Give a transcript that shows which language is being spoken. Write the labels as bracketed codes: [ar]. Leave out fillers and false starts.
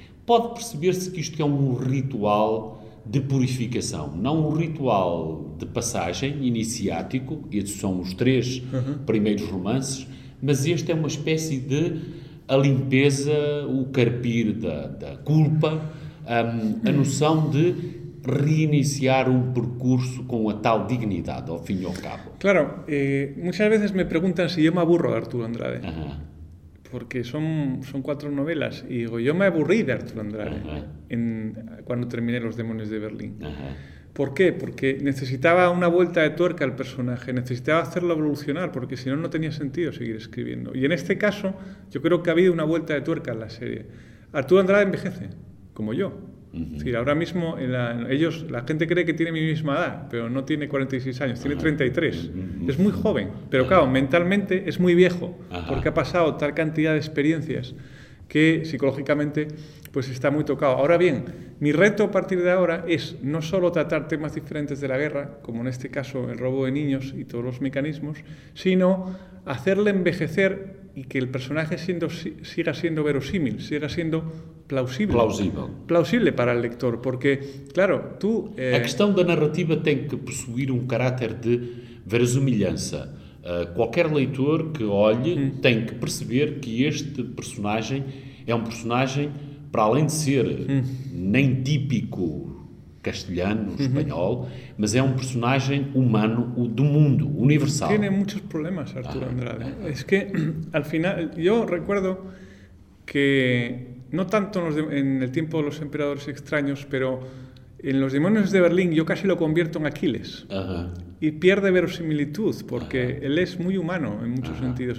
[pt] pode perceber-se que isto é um ritual de purificação, não um ritual de passagem iniciático, estes são os três primeiros romances, mas este é uma espécie de a limpeza, o carpir da culpa, a noção de reiniciar um percurso com a tal dignidade, ao fim e ao cabo. [es] Claro, muitas vezes me perguntam se eu me aburro de Arturo Andrade. Porque son cuatro novelas. Y digo, yo me aburrí de Arturo Andrade cuando terminé Los demonios de Berlín. ¿Por qué? Porque necesitaba una vuelta de tuerca al personaje. Necesitaba hacerlo evolucionar, porque si no, no tenía sentido seguir escribiendo. Y en este caso, yo creo que ha habido una vuelta de tuerca en la serie. Arturo Andrade envejece, como yo. Es decir, ahora mismo, la gente cree que tiene mi misma edad, pero no tiene 46 años, tiene 33. Es muy joven, pero claro, mentalmente es muy viejo, porque ha pasado tal cantidad de experiencias que psicológicamente pues está muy tocado. Ahora bien, mi reto a partir de ahora es no solo tratar temas diferentes de la guerra, como en este caso el robo de niños y todos los mecanismos, sino hacerle envejecer y que el personaje siga siendo verosímil, siga siendo plausible. Plausible para el lector, porque, claro, tú... [pt] A questão da narrativa tem que possuir um caráter de verosimilhança. Qualquer leitor que olhe tem que perceber que este personagem é um personagem, para além de ser nem típico castelhano, espanhol, mas é um personagem humano, o do mundo, universal. [es] Tiene muchos problemas, Arturo Andrade. Es que, al final, yo recuerdo que, no tanto en el tiempo de los emperadores extraños, pero en Los demonios de Berlín yo casi lo convierto en Aquiles. Y pierde verosimilitud, porque él es muy humano en muchos sentidos.